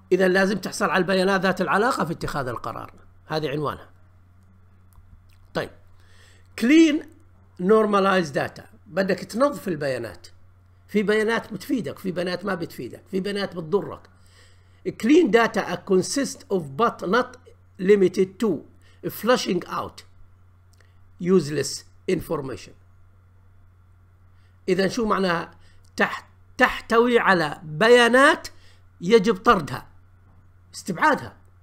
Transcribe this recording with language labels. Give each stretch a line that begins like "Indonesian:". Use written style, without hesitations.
Arabic: إذا لازم تحصل على البيانات ذات العلاقة في اتخاذ القرار، هذه عنوانها. طيب
English: clean normalized data،
Arabic: بدك تنظف البيانات، في بيانات بتفيدك، في بيانات ما بتفيدك، في بيانات بتضرك.
English: clean data consists of but not limited to flushing out useless information.
Arabic: إذا شو معناها؟ تحتوي على بيانات يجب طردها، استبعادها.